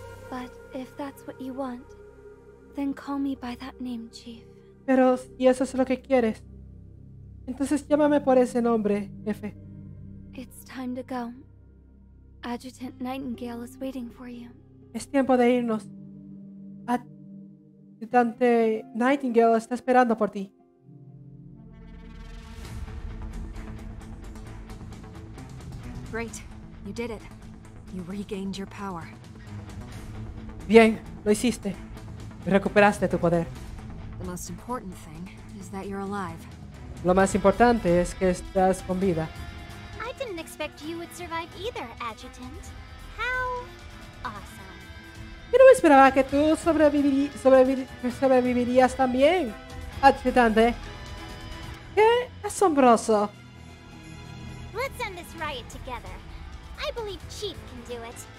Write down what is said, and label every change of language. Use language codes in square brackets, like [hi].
[en] But if that's what you want, then call me by that name, Chief. [es] Pero si eso es lo que quieres, entonces llámame por ese nombre, jefe. [en] It's time to go. Adjutant Nightingale is waiting for you. [es] Es tiempo de irnos. Adjutante Nightingale está esperando por ti. [en] Great, you did it. You regained your power. [es] Bien, lo hiciste. Recuperaste tu poder. [en] The most important thing is that you're alive. [es] Lo más importante es que estás con vida. [en] I didn't expect you would survive either, Adjutant. How awesome. [es] Yo no me esperaba que tú sobrevivirías también, Adjutante. ¡Qué asombroso! [en] Let's end this riot together. I believe Chief can do it.